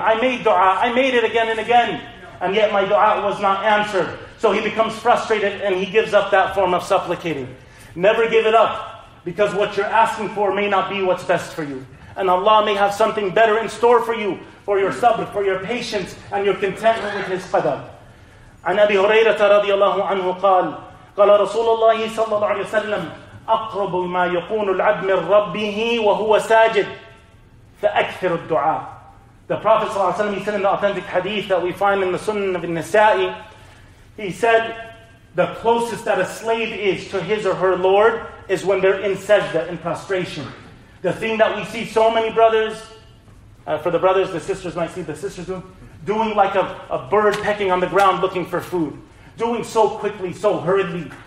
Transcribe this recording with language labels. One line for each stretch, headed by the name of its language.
English: I made dua, I made it again and again. And yet my dua was not answered. So he becomes frustrated and he gives up that form of supplicating. Never give it up, because what you're asking for may not be what's best for you. And Allah may have something better in store for you, for your sabr, for your patience, and your contentment with His qadar.
Arabic: عن أبي هريرة رضي الله عنه قال, قال رسول الله صلى الله عليه وسلم, أقرب ما يكون العبد من ربه وهو ساجد فأكثر الدعاء.
English: The Prophet صلى الله عليه وسلم, he said in the authentic hadith that we find in the Sunnah of Nasa'i, he said, the closest that a slave is to his or her Lord is when they're in sajda, in prostration. The thing that we see so many brothers, for the brothers, the sisters might see the sisters doing like a bird pecking on the ground looking for food, doing so quickly, so hurriedly,